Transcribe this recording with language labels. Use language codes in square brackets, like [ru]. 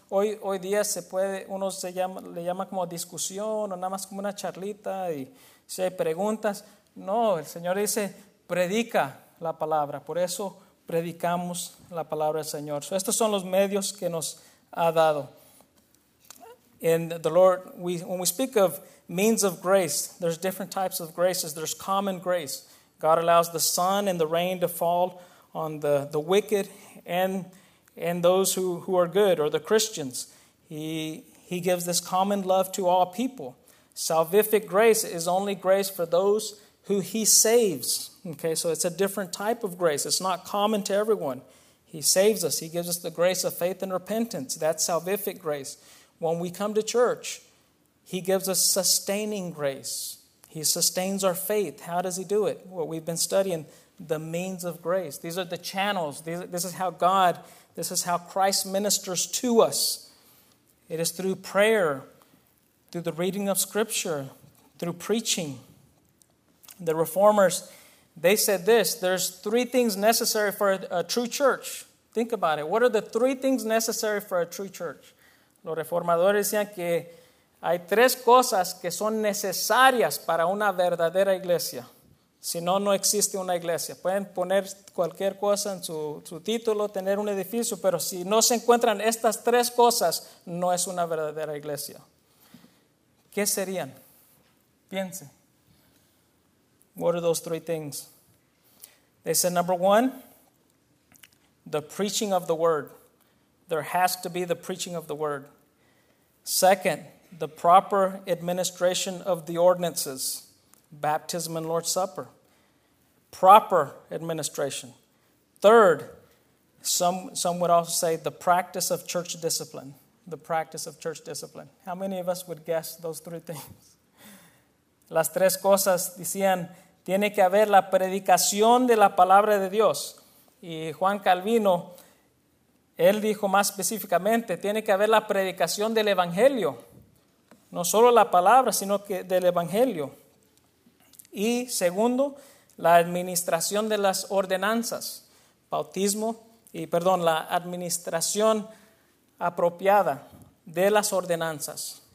[es] Hoy día se puede, uno le llama como discusión o nada más como una charlita y si hay preguntas. No, el Señor dice, predica la palabra. Por eso predicamos la palabra del Señor. So, estos son los medios que nos ha dado. [en] And the Lord, when we speak of means of grace, there's different types of graces. There's common grace. God allows the sun and the rain to fall on the wicked and those who are good or the Christians. He gives this common love to all people. Salvific grace is only grace for those who he saves. Okay, so it's a different type of grace. It's not common to everyone. He saves us. He gives us the grace of faith and repentance. That's salvific grace. When we come to church, he gives us sustaining grace. He sustains our faith. How does he do it? Well, we've been studying the means of grace. These are the channels. This is how Christ ministers to us. It is through prayer, through the reading of scripture, through preaching. The reformers, they said this, there's three things necessary for a true church. Think about it. What are the three things necessary for a true church? [es] Los reformadores decían que hay tres cosas que son necesarias para una verdadera iglesia. Si no, no existe una iglesia. Pueden poner cualquier cosa en su título, tener un edificio, pero si no se encuentran estas tres cosas, no es una verdadera iglesia. ¿Qué serían? Piense. [en] What are those three things? They said, number one, the preaching of the word. There has to be the preaching of the word. Second, the proper administration of the ordinances, baptism and Lord's Supper. Proper administration. Third, some would also say the practice of church discipline. The practice of church discipline. How many of us would guess those three things? [es] Las tres cosas decían, tiene que haber la predicación de la palabra de Dios. Y Juan Calvino, él dijo más específicamente, tiene que haber la predicación del evangelio. No solo la palabra, sino que del evangelio. Y segundo, la administración de las ordenanzas, la administración apropiada de las ordenanzas.